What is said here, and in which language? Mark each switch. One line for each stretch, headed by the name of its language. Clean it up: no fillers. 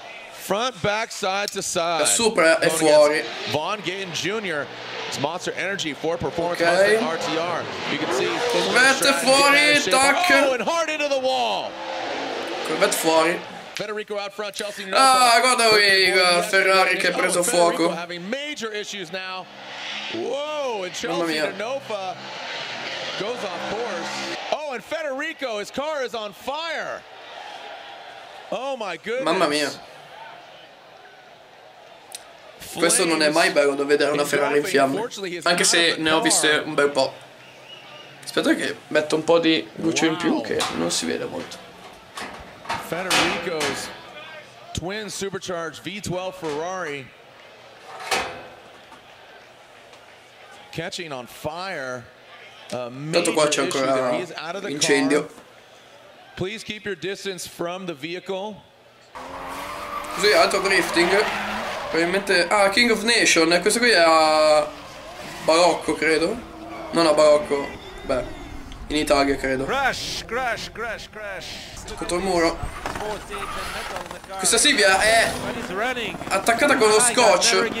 English: Front, back, side to side.
Italian: È sopra e fuori.
English: Von Gain Jr. Monster Energy for Performance RTR. You can see Corvette
Italian: fuori, tac.
English: Oh, hard into the wall.
Italian: Corvette fuori.
English: Federico out front, Chelsea.
Italian: Ah, guarda qui, Ferrari che ha preso fuoco.
English: Having major issues now. Whoa, and Chelsea Nofa goes off course. Oh, and Federico, his car is on fire. Oh my goodness. Mamma mia.
Italian: Questo non è mai bello da vedere una Ferrari in fiamme. Anche se ne ho viste un bel po'. Aspetta che metto un po' di luce in più che non si vede molto.
English: Federico's twin supercharged V12 Ferrari catching on fire.
Italian: Tanto qua c'è ancora l'incendio.
English: Please keep your distance from the vehicle.
Italian: Così auto drifting. Probabilmente, ah, King of Nation, questo qui è a Barocco, credo. Non a Barocco, beh, in Italia, credo.
English: Crash, crash, crash, crash.
Italian: Contro il muro. Questa Silvia è attaccata con lo scotch.